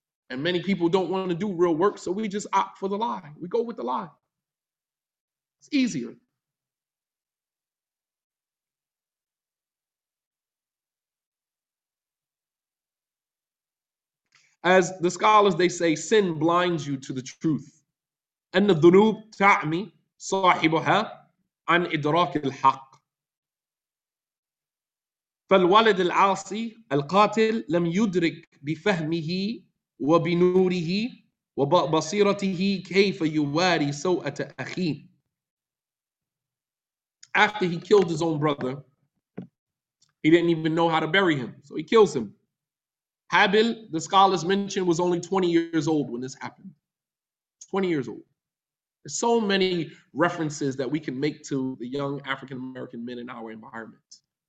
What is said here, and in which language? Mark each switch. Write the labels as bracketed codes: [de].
[en] And many people don't want to do real work, so we just opt for the lie. We go with the lie. It's easier. as the scholars, they say, sin blinds you to the truth. [ar] أن الذنوب تعمي صاحبها عن إدراك الحق. فالولد العاصي القاتل لم يدرك بفهمه وبنوره وبصيرته كيف يواري سوءة أخيه. [en] After he killed his own brother, he didn't even know how to bury him, so he kills him. Habil, the scholars mentioned, was only 20 years old when this happened. 20 years old. There's so many references that we can make to the young African-American men in our environment.